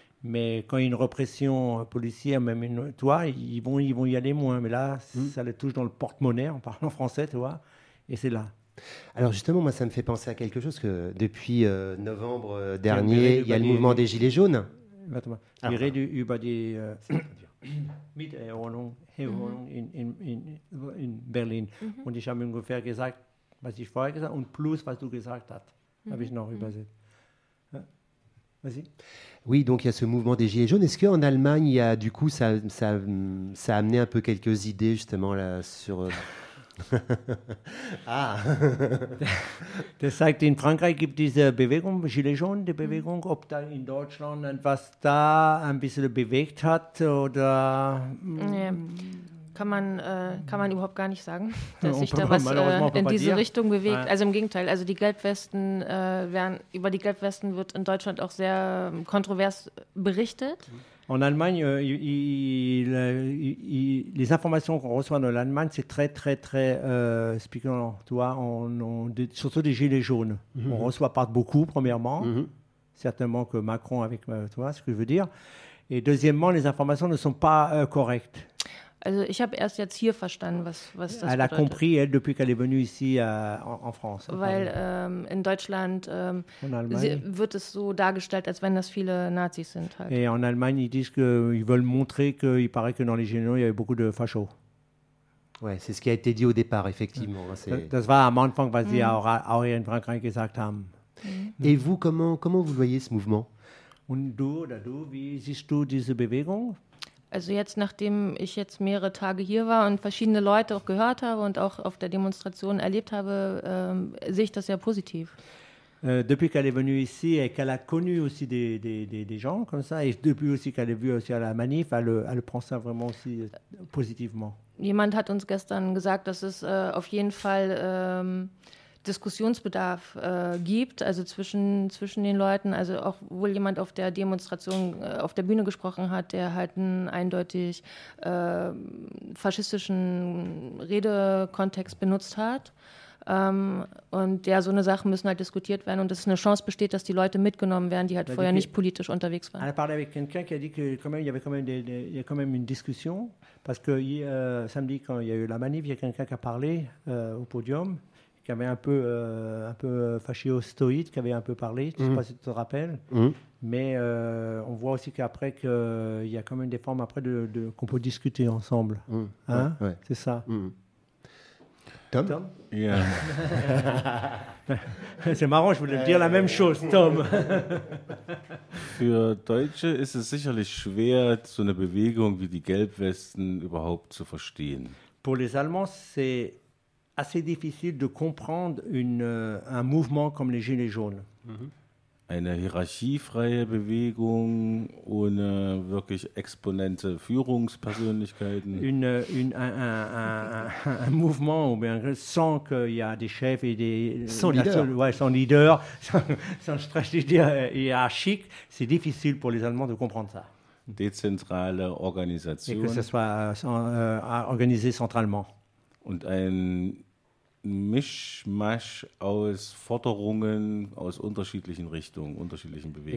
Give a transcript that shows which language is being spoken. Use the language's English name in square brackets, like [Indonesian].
[French] Mais quand il y a une répression policière, même une, tu vois, ils vont y aller moins. Mais là, ça les touche dans le porte-monnaie, en parlant français, tu vois. Et c'est là. Alors justement, moi, ça me fait penser à quelque chose que depuis novembre dernier, il y a le mouvement des Gilets jaunes. Exactement. Il y aurait du Uber des. [German] Mit Erholung, Erholung in Berlin. Mm-hmm. Und ich habe ungefähr gesagt, was ich vorher gesagt habe, und plus, was du gesagt hast. Mm-hmm. Habe ich noch übersetzt. Mm-hmm. [French] Vas-y. Oui, donc il y a ce mouvement des Gilets jaunes. Est-ce qu'en Allemagne, il y a, du coup, ça a amené un peu quelques idées, justement, là, sur. Ah! [German] Das sagt, in Frankreich gibt es diese Bewegung, Gilets jaunes, die Bewegung, ob da in Deutschland etwas da ein bisschen bewegt hat oder. Nee, kann man überhaupt gar nicht sagen, dass sich da was in diese Richtung bewegt. Also im Gegenteil, also die Gelbwesten über die Gelbwesten wird in Deutschland auch sehr kontrovers berichtet. [French] En Allemagne, les informations qu'on reçoit de l'Allemagne, c'est très, très, très spéculant. Tu vois, surtout des gilets jaunes. Mm-hmm. On reçoit pas beaucoup, premièrement. Mm-hmm. Certainement que Macron avec, tu vois ce que je veux dire. Et deuxièmement, les informations ne sont pas correctes. [German] Also, ich habe erst jetzt hier verstanden, was das bedeutet. [French] Elle a compris, elle, depuis qu'elle est venue ici en France. [German] Weil in Deutschland wird es so dargestellt, als wenn das viele Nazis sind. Halt. [French] Et en Allemagne, ils disent qu'ils veulent montrer qu'il paraît que dans les Gilets jaunes, il y avait beaucoup de fachos. Ouais, c'est ce qui a été dit au départ, effectivement. [German] Das war am Anfang, was sie auch in Frankreich gesagt haben. [French] Et vous, comment vous voyez ce mouvement? [German] Und du, wie siehst du diese Bewegung? Also jetzt, nachdem ich jetzt mehrere Tage hier war und verschiedene Leute auch gehört habe und auch auf der Demonstration erlebt habe, sehe ich das ja positiv. [French] Depuis qu'elle est venue ici et qu'elle a connu aussi des gens comme ça, et depuis aussi qu'elle est vue aussi à la manif, elle prend ça vraiment aussi positivement. [German] Jemand hat uns gestern gesagt, dass es auf jeden Fall Diskussionsbedarf gibt, also zwischen den Leuten, also auch wohl jemand auf der Demonstration auf der Bühne gesprochen hat, der halt einen eindeutig faschistischen Redekontext benutzt hat. Und ja, so eine Sache müssen halt diskutiert werden und dass eine Chance besteht, dass die Leute mitgenommen werden, die halt vorher nicht politisch unterwegs waren. [French] Elle a parlé avec quelqu'un qui a dit qu'il y avait quand même une discussion, parce que samedi, quand il y a eu la manif, il y a quelqu'un qui a parlé au podium, qui avait un peu fascio-stoïde, qui avait un peu parlé, je ne sais pas si tu te rappelles, mais on voit aussi qu'après, qu'il y a quand même des formes après qu'on peut discuter ensemble. Ouais. C'est ça. Tom? [English] Yeah. [French] C'est marrant, je voulais dire la même chose, Tom. [German] Für Deutsche ist es sicherlich schwer, so eine Bewegung wie die Gelbwesten überhaupt zu verstehen. [French] Pour les Allemands, c'est assez difficile de comprendre un mouvement comme les Gilets jaunes. [German] Eine hiérarchiefreie Bewegung ohne wirklich exponente Führungspersönlichkeiten. [French] Un mouvement ou bien sans qu'il y a des chefs et des sans leader, ouais, sans leader, sans stratégie hiérarchique, c'est difficile pour les Allemands de comprendre ça. [German] Dezentrale Organisation. [French] Et que ce soit organisé centralement. [German] Und ein Mischmasch aus Forderungen aus unterschiedlichen Richtungen, unterschiedlichen Bewegungen.